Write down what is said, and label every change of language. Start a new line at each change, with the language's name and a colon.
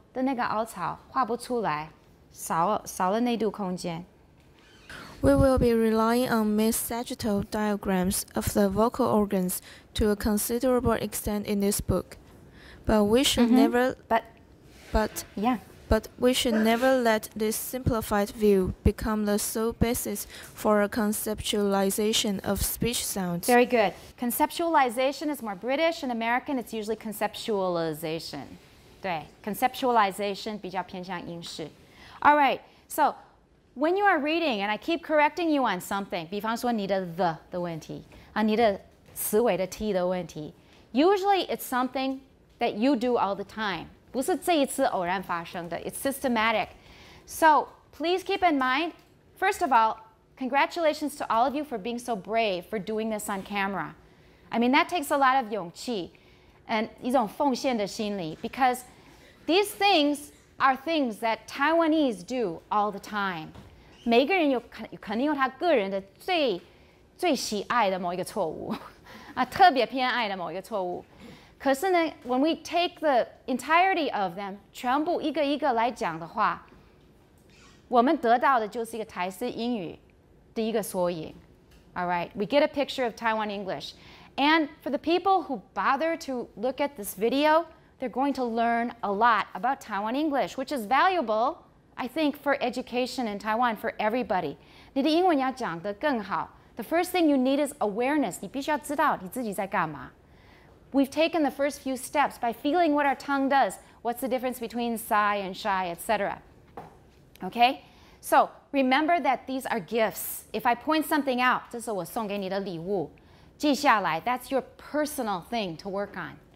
Chinese: 的那个凹槽画不出来，少了那度空间。
English: We will be relying on mid-sagittal diagrams of the vocal organs to a considerable extent in this book, but we should、mm-hmm. never. But yeah. But we should never let this simplified view become the sole basis for a conceptualization of speech sounds. Very good. Conceptualization is more British and American. It's usually conceptualization.
Chinese: 对
English: conceptualization
Chinese: 比较偏向英式
English: All right, so when you are reading, and I keep correcting you on something,
Chinese: 比方说你的
English: the
Chinese: 问题、你的词尾的
English: t 的问题 usually it's something that you do all the time,
Chinese: 不是这一次偶然发生的
English: It's systematic. So please keep in mind, first of all, congratulations to all of you for being so brave for doing this on camera. I mean, that takes a lot of 勇气 and
Chinese: 一种奉献的心理
English: because these things are things that Taiwanese do all the time.
Chinese: 每个人有肯定有他个人的最喜爱的某一个错误啊，特别偏爱的某一个错误。可是呢
English: when we take the entirety of them,
Chinese: 全部一个一个来讲的话，我们得到的就是一个台式英语的一个缩影。
English: All right, we get a picture of Taiwan English. And for the people who bother to look at this video, they're going to learn a lot about Taiwan English, which is valuable, I think, for education in Taiwan, for everybody.
Chinese: 你的英文要讲得更好。
English: The first thing you need is awareness.
Chinese: 你必须要知道你自己在干嘛。
English: We've taken the first few steps by feeling what our tongue does. What's the difference between sigh and shy, etc. Okay? So, remember that these are gifts. If I point something out,
Chinese: 这是我送给你的礼物。记下来,
English: that's your personal thing to work on.